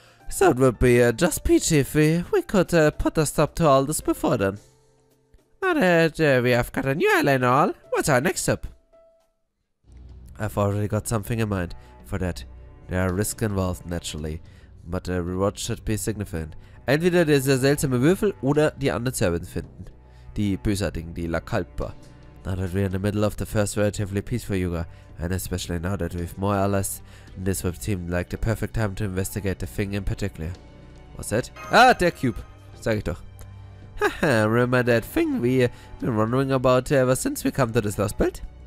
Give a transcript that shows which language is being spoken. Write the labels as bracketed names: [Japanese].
[English] So it would be just peachy if we could put a stop to all this before then. Now that we have got a new ally and all, what's our next step? I've already got something in mind for that. There are risks involved, naturally. But the reward should be significant. [German] Entweder der sehr seltsame Würfel oder die anderen Servants finden. Die Bösartigen, die La Kalpa. [English] Now that we're in the middle of the first relatively peaceful Yuga, and especially now that we've more allies, this would seem like the perfect time to investigate the thing in particular. What's that? [German] Ah, der Cube! Sag ich doch. [English] Haha, remember that thing we've been wondering about ever since we come to this lost belt?